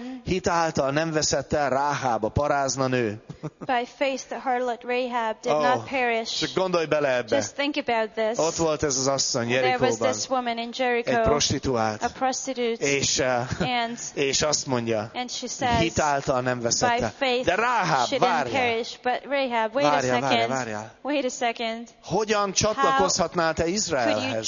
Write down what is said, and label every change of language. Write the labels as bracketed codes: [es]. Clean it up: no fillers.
[hu] Hit által nem veszett el Ráhába, parázna nő. [en] By faith the harlot Rahab did not perish. [hu] Csak gondolj bele ebbe. [en] Just think about this. [hu] Ott volt ez az asszony Jerikóban. [en] There was this woman in Jericho. [hu] Egy prostituált. [en] A prostitute. [hu] És azt mondja. [en] And she says, [hu] hit által nem veszett el. [en] By faith, [hu] de Ráhab, várjál. [en] She didn't perish, but Rahab, wait [hu] várjál, [en] a second. [hu] Várjál. [en] Wait a second. [hu] Hogyan csatlakozhatnál te Izraelhez?